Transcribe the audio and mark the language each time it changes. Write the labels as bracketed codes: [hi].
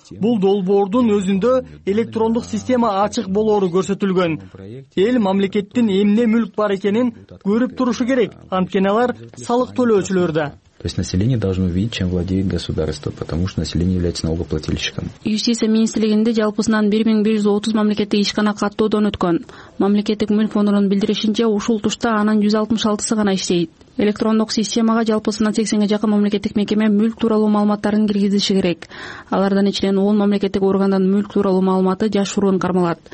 [ky] Бул долбоордун өзүндө электрондук система ачык болоору көрсөтүлгөн. Эл мамлекеттин эмне мүлк бар экенин көрүп турушу керек, анткени алар салык төлөөчүлөр да. [ru] То есть население должно увидеть, чем владеет государство, потому что население является налогоплательщиком. [ky] Юстиция министрлигинде жалпысынан 1130 мамлекеттик ишкана каттоодон өткөн. Мамлекеттик мүлк фондунун билдиришинче ушул тушта анан 166 гана иштейт. Электрондук системага жалпысынан 80 жакын мамлекеттик мекеме мүлк тууралуу маалыматтарын киргизиши керек. Алардан ичинен 10 мамлекеттик органдан мүлк тууралуу маалыматы жашыруун кармалат.